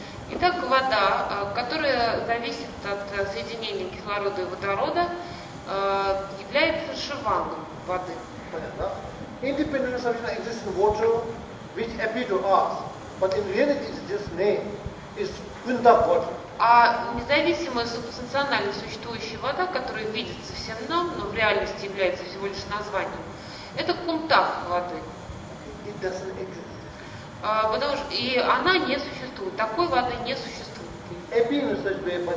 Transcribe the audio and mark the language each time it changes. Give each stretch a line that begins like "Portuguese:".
Russian: Итак, вода, которая зависит от соединения кислорода и водорода, является шиваном воды.
English: Independent substance exists in water, which appears to us, but in reality it's just name, is Kunda water.
Russian: А независимая субстанциональная существующая вода, которая видится всем нам, но в реальности является всего лишь названием, это кунтах воды.
English: It doesn't exist.
Russian: Потому что и она не существует. Такой воды не существует.